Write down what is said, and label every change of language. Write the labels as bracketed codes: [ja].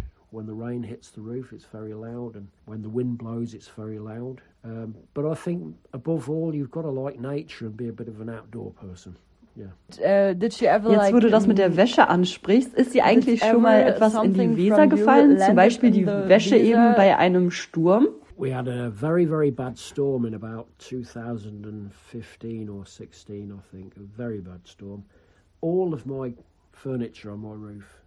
[en] When the rain hits the roof, it's very loud, and when the wind blows, it's very loud. But I think, above all, you've got to like nature and be a bit of an outdoor person. [de] Jetzt, wo du das mit der Wäsche ansprichst, ist dir eigentlich schon mal etwas in die Weser gefallen? Zum Beispiel die Wäsche eben bei einem Sturm? [en] We had a very, very bad storm in about 2015 or 16, I think. A very bad storm. All of my furniture on my roof.